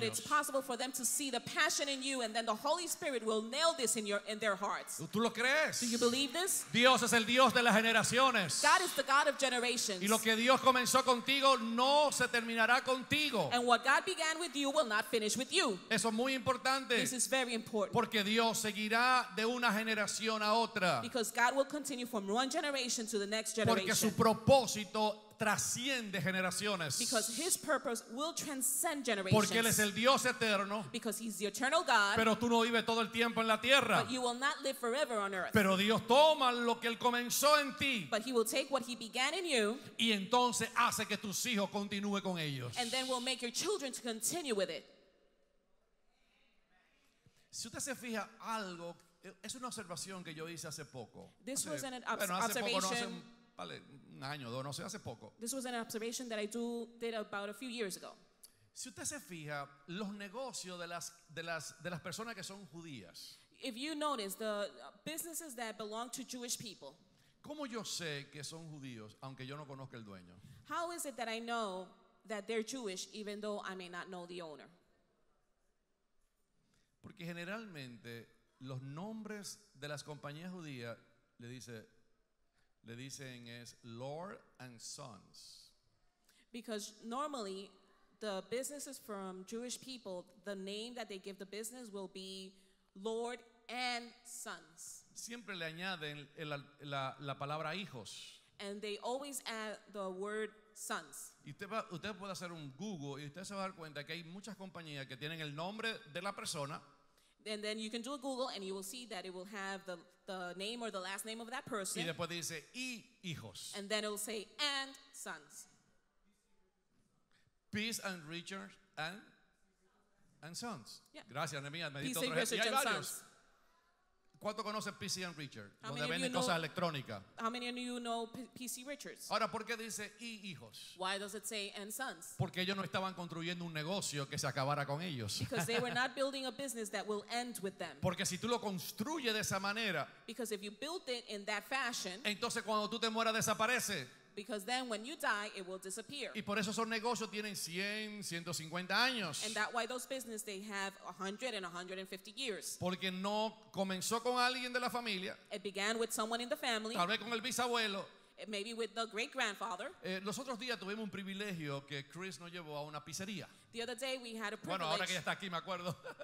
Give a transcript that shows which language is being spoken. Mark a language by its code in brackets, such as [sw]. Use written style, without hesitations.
[en] But it's possible for them to see the passion in you and then the Holy Spirit will nail this in their hearts. [es] ¿Tú lo crees? [en] Do you believe this? [es] Dios es el Dios de las generaciones. [en] God is the God of generations. [es] Y lo que Dios comenzó contigo no se terminará contigo. [en] And what God began with you will not finish with you. [es] Eso es muy importante. [en] This is very important. [es] Porque Dios seguirá de una generación a otra. [en] Because God will continue from one generation to the next generation. [es] Porque su propósito trasciende generaciones. [en] Because his purpose will transcend generations. [es] Porque él es el Dios eterno. [en] Because he's the eternal God. [es] Pero tú no vives todo el tiempo en la tierra. [en] But you will not live forever on earth. [es] Pero Dios toma lo que él comenzó en ti. [en] But he will take what he began in you. [es] Y entonces hace que tus hijos continúen con ellos. [en] And then will make your children to continue with it. [es] Si usted se fija algo, es una observación que yo hice hace poco. [en] This was an observation. [es] Vale, un año, dos, no sé, hace poco. [en] This was an observation that I did about a few years ago. [es] Si usted se fija, los negocios de las personas que son judías. [en] If you notice the businesses that belong to Jewish people. [es] ¿Cómo yo sé que son judíos aunque yo no conozca el dueño? [en] How is it that I know that they're Jewish even though I may not know the owner? [es] Porque generalmente los nombres de las compañías judías le dicen es Lord and Sons. [en] Because normally the businesses from Jewish people, the name that they give the business will be Lord and Sons. [es] Siempre le añaden la palabra hijos. [en] And they always add the word sons. [es] Usted puede hacer un Google y usted se va a dar cuenta que hay muchas compañías que tienen el nombre de la persona. [en] And then you can do a Google and you will see that it will have the name or the last name of that person. [es] Y después dice, y hijos. [en] And then it will say, and sons. Peace and riches and sons. Yeah. [es] Gracias, Nehemiah. Me diste otro ejemplo. Y hay varios. ¿Cuánto conoce PC and Richard? [en] How [es] donde venden, [en] you know, [es] cosas electrónicas. [en] How many of you know PC Richards? [es] Ahora, ¿por qué dice y hijos? [en] Why does it say and sons? [es] Porque ellos no estaban construyendo un negocio que se acabara con ellos. [en] Because they were not building a business that will end with them. [es] Porque si tú lo construyes de esa manera, [en] because if you built it in that fashion, [es] entonces cuando tú te mueras desaparece. [en] Because then when you die, it will disappear. [es] Y por eso esos negocios tienen 100, 150 años. [en] And that's why those businesses, they have 100 and 150 years. [es] Porque no comenzó con alguien de la familia. [en] It began with someone in the family. [es] Tal vez con el bisabuelo. [en] Maybe with the great grandfather. [es] Los otros días tuvimos un privilegio que Chris nos llevó a una pizzería. [en] The other day we had a privilege. [es] Bueno, ahora que ya está aquí, me acuerdo.